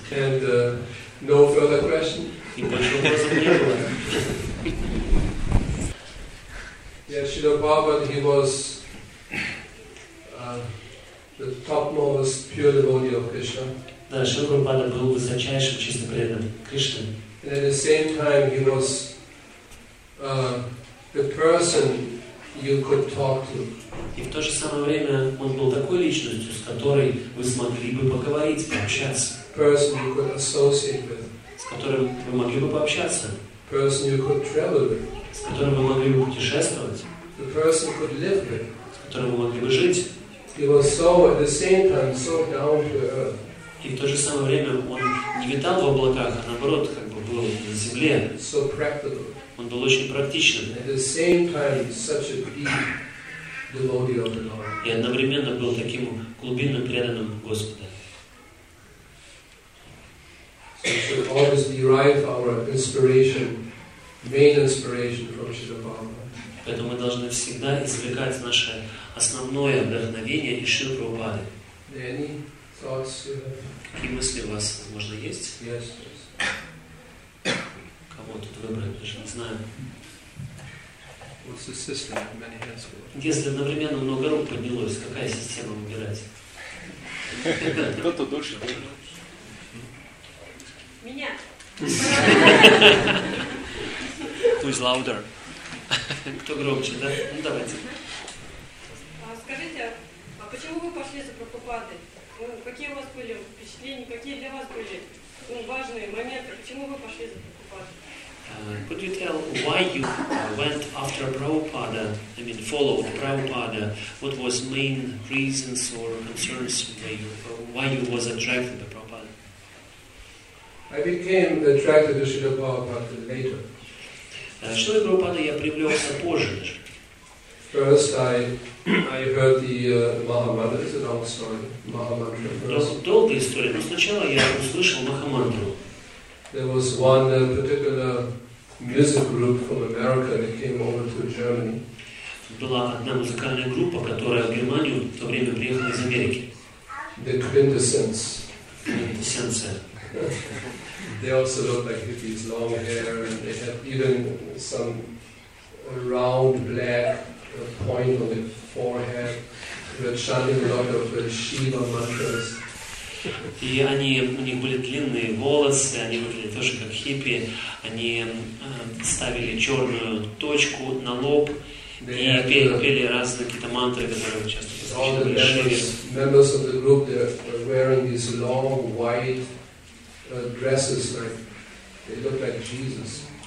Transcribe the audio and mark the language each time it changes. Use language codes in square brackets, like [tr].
[en] And no further question. [ru] И больше вопросов не было. [en] Yes, Shri Prabhupada, he was the topmost pure devotee of Krishna. [ru] Да, Шри Прабхупада был высочайшим чисто преданным Кришне. [en] And at the same time, he was the person you could talk to. [ru] И в то же самое время он был такой личностью, с которой вы смогли бы поговорить, пообщаться. [en] Person you could associate with. [ru] С которым вы могли бы пообщаться. [en] Person you could travel with. [ru] С которым вы могли бы путешествовать. [en] The person could live with. [ru] С которым вы могли бы жить. [en] He was so at the same time so down to earth. [ru] И в то же самое время он не витал в облаках, а наоборот, как бы был на земле. [en] So practical. [ru] Он был очень практичным. [en] At the same time, such a deep devotee of the Lord. [ru] И одновременно был таким глубинным преданным Господа. [en] So we should always derive our inspiration, main inspiration from Shri Prabhupada. [ru] Поэтому мы должны всегда извлекать наше основное вдохновение из Шри Прабхупады. Какие мысли у вас, возможно, есть? [en] Yes, yes. [ru] Кого тут выбрать, даже не знаю. [en] What's the system? Many hands were. [ru] Если одновременно много рук поднялось, какая система выбирать? Кто-то дольше будет. Меня. [en] Who is louder? [ru] Кто громче, да? Ну, давайте. Скажите, а почему вы пошли за Прабхупадой? Какие у вас были впечатления, какие для вас были важные моменты, почему вы пошли за Прабхупадой? [en] Could you tell why you went after Prabhupada, I mean followed Prabhupada, what was main reasons or concerns why you was attracted to Prabhupada? I became attracted to Srila Prabhupada later. [ru] Srila Prabhupada я привлекся позже. [en] First I heard the Mahamantra. It's a long story. Mahamantra. [ru] Долгая история. Но сначала я услышал Махамантру. [en] There was one particular music group from America that came over to Germany. [ru] Была одна музыкальная группа, которая в Германию в то время приехала из Америки. [en] The Quintessence. Quintessence. They also looked like hippies, long hair, and they had even some round black. A point on the forehead. They were chanting a lot of Shiva mantras. [ru] И они у них были длинные волосы, они выглядели тоже как хиппи. Они ставили черную точку на лоб и пели разные какие-то мантры, которые часто звучали. [en] All the members of the group they were wearing these long white dresses, like they looked like Jesus.